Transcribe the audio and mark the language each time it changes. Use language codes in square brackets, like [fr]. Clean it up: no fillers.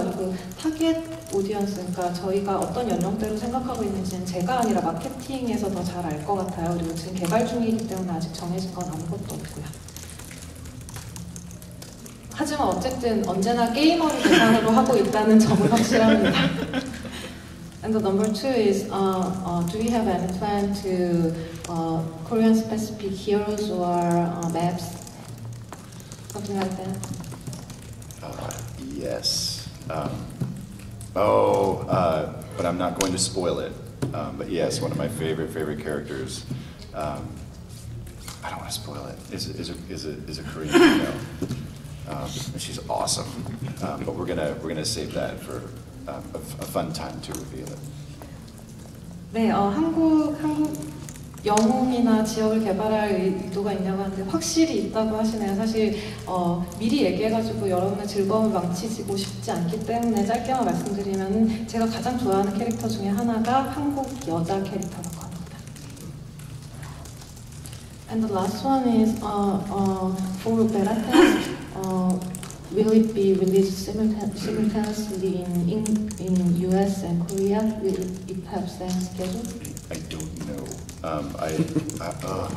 [ko] 그리고 타겟 오디언스, 그러니까 저희가 어떤 연령대로 생각하고 있는지는 제가 아니라 마케팅에서 더 잘 알 것 같아요. 그리고 지금 개발 중이기 때문에 아직 정해진 건 아무것도 없고요. 하지만 어쨌든 언제나 게이머를 대상으로 하고 있다는 점은 확실합니다. [en] And the number two is, do we have any plan to Korean specific heroes or maps? Something like that? Yes. But I'm not going to spoil it. But yes, one of my favorite characters. I don't want to spoil it. Is a Korean hero. She's awesome, but we're gonna save that for a fun time to reveal it. [ko] 네, 한국 영웅이나 지역을 개발할 의도가 있냐고 하는데 확실히 있다고 하시네요. 사실 미리 얘기해가지고 여러분의 즐거움을 망치시고 싶지 않기 때문에 짧게만 말씀드리면, 제가 가장 좋아하는 캐릭터 중에 하나가 한국 여자 캐릭터. [en] And the last one is, for beta test, will it be released simultaneously in US and Korea? Will it have same schedule? I don't know.